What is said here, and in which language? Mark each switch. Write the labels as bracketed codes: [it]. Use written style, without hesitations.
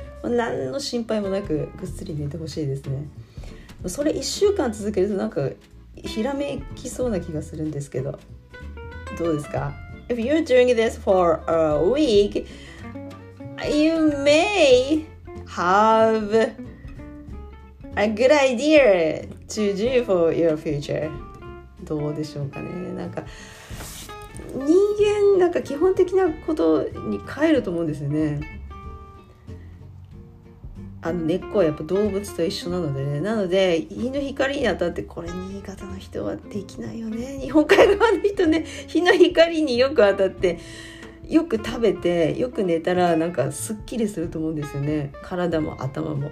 [ja] 何の心配もなくぐっすり寝てほしいですね。それ1週間続けるとなんかひらめきそうな気がするんですけど、どうですか？ [en] If you're doing this for a week, you may have a good idea to do for your future。 [ja] どうでしょうかね。なんか人間なんか基本的なことに帰ると思うんですよね。根っこはやっぱ動物と一緒なのでね。なので日の光に当たって、これ新潟の人はできないよね、日本海側の人ね、日の光によく当たってよく食べてよく寝たらなんかすっきりすると思うんですよね、体も頭も。